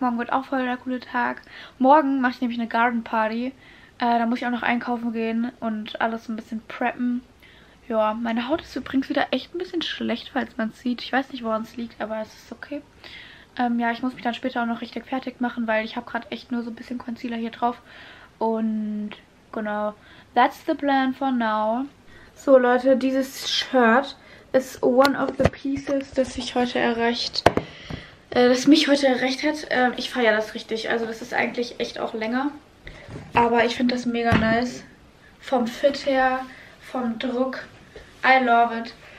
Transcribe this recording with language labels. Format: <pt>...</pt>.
<de>Morgen wird auch voll der coole Tag. Morgen mache ich nämlich eine Garden Party. Da muss ich auch noch einkaufen gehen und alles ein bisschen preppen. Ja, meine Haut ist übrigens wieder echt ein bisschen schlecht, falls man es sieht. Ich weiß nicht, woran es liegt, aber es ist okay. Ja, ich muss mich dann später auch noch richtig fertig machen, weil ich habe gerade echt nur so ein bisschen Concealer hier drauf. Und genau,</de> <en>that's the plan for now.</en> <de>So Leute, dieses Shirt ist</de> <en>one of the pieces,</en> <de>das ich heute erreicht. Das mich heute erreicht hat, ich feiere das richtig. Also das ist eigentlich echt auch länger. Aber ich finde das mega nice. Vom Fit her, vom Druck.</de> <en>I love it.</en>